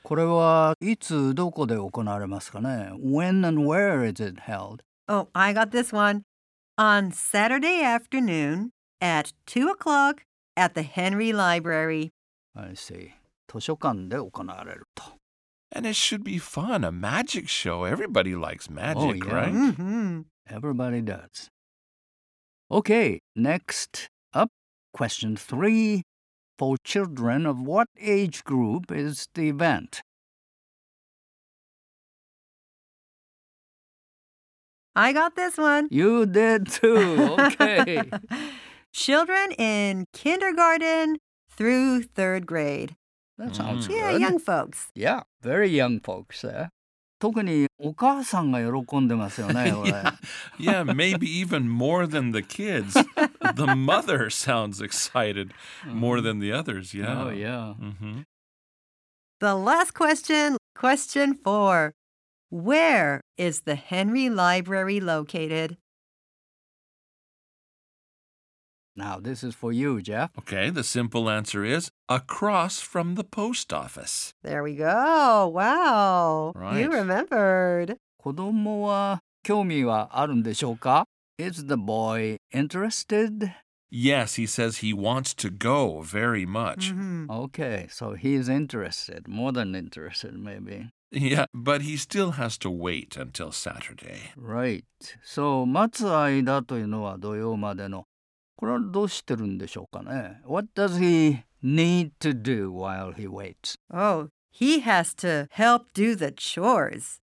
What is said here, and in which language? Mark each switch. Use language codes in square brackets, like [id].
[ja] これはいつどこで行われますかね? [en] When and where is it held? Oh, I got this one. On Saturday afternoon at 2 o'clock at the Henry Library. I see. [ja] 図書館で行われると。 [en] And it should be fun. A magic show. Everybody likes magic, oh, yeah. right? Everybody does. Okay, next up, question 3. For children of what age group is the event? I got this one. You did too. Okay. Children in kindergarten through third grade. That sounds good. Yeah, young folks. Yeah, very young folks. [ja] 特にお母さんが喜んでますよね、俺。 [en] Yeah, maybe even more than the kids. The mother sounds excited more than the others. Yeah. Oh, yeah. The last question, question 4. Where is the Henry Library located? Now, this is for you, Jeff. Okay, the simple answer is across from the post office. There we go. Wow. Right. You remembered. [ja] 子供は興味はあるんでしょうか? [en] Is the boy interested? Yes, he says he wants to go very much. Okay, so he's interested, more than interested, maybe. Yeah, but he still has to wait until Saturday. Right. [ja] So, 待つ間というのは土曜までの。これはどうしてるんでしょうかね? [en] What does he need to do while he waits? Oh, he has to help do the chores.